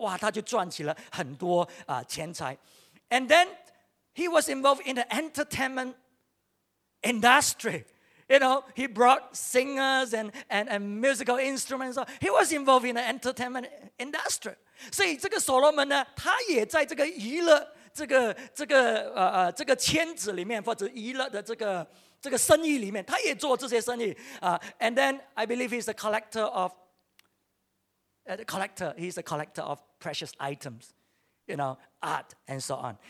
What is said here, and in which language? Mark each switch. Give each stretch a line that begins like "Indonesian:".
Chinese: 卖出国外附近的邻国去，然后呢，把这些财宝呢，金啊银啊，把它带回来。所以呢，圣经告诉我们呢，哇，他就赚起了很多钱财。
English: And then he was involved in the entertainment industry. You know, he brought singers and musical instruments. He was involved in the entertainment industry.
Chinese: 所以这个所罗门呢，他也在这个娱乐。这个圈子里面，或者娱乐的这个生意里面，他也做这些生意。
English: And then I believe he's a collector of He's a collector of precious items, you know, art and so on.